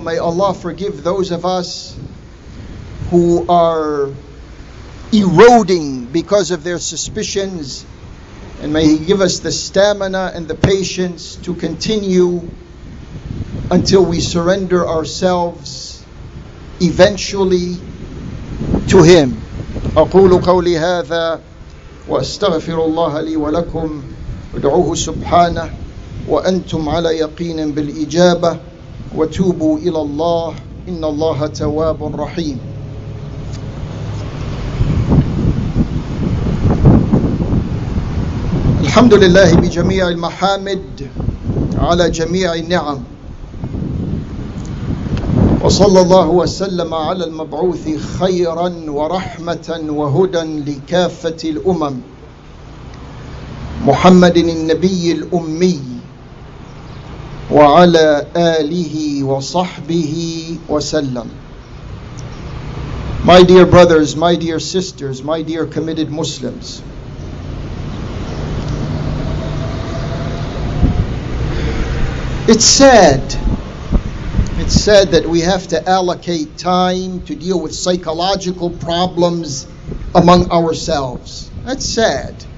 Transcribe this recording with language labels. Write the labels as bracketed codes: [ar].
[en] May Allah forgive those of us who are eroding because of their suspicions, and may He give us the stamina and the patience to continue until we surrender ourselves eventually to Him. [ar] أقول قولي هذا وأستغفر الله لي ولكم ودعوه سبحانه وأنتم على يقين بالإجابة. وَتُوبُوا إِلَى اللَّهِ إِنَّ اللَّهَ تَوَّابٌ رَحِيمٌ. الحمد لله بجميع المحامد على جميع النعم وصلى الله وسلم على المبعوث خيرا ورحمة وهدى لكافة الأمم محمد النبي الأمي وعلى آله وصحبه وسلم. [en] My dear brothers, my dear sisters, my dear committed Muslims, It's sad that we have to allocate time to deal with psychological problems among ourselves. That's sad.